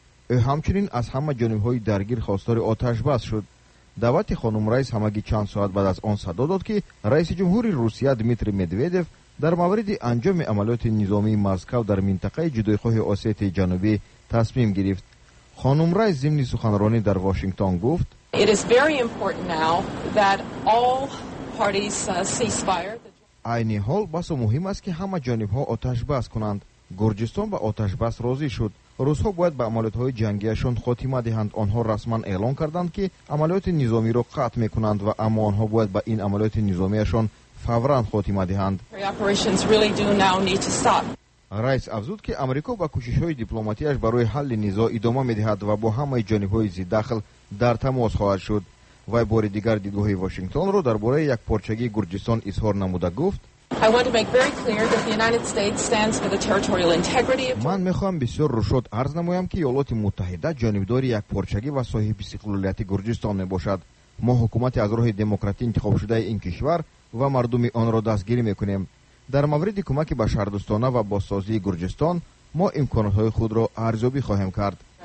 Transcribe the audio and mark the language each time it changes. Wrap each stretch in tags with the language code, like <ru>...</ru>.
<fa>او همچنین از همه جانب های درگیر خواستار آتش بس شد. دعوت خانم رئیس همگی چند ساعت بعد از آن صدا داد که رئیس جمهوری روسیه دمیتری مدودف در مورد انجام عملیات نظامی مسکو در منطقه جدایخواه آسیای جنوبی تصمیم گرفت. خانم رئیس ضمن سخنرانی در واشنگتن گفت:</fa> <en>It is very important now that all parties ceasefire.</en> <fa>عین حال بس مهم است که همه جانب ها آتش بس کنند. گرجستان به آتش بس راضی شد. روس‌ها باید به عملیات های جنگیشان خاتمه دهند. آنها رسما اعلان کردند که عملیات نظامی را قطع میکنند و اما آنها باید به این عملیات نظامیشان فورا خاتمه دهند. رئیس افزود که امریکا با کوشش های دیپلماتیکش برای حل نزاع ادامه میدهد و با همه جانب های زیر دخل در تماس خواهد شد. و بار دیگر دیدگاه واشنگتن را درباره یک پارچگی گرجستان اظهار نموده گفت:</fa> <en>I want to make very clear that the United States stands for the territorial integrity of</en> <fa>من میخوام بسیار روشن عرض نمایم که ایالات متحده جانبداری یک پارچگی و صاحب استقلالیت گرجستان میباشد. ما حکومت از راه دموکراتی انتخاب شده این کشور و مردم آن را دستگیری میکنیم. در مورد کمک به شهر دوستانه و بازسازی گرجستان ما امکانات های خود را ارزیابی خواهیم کرد.</fa>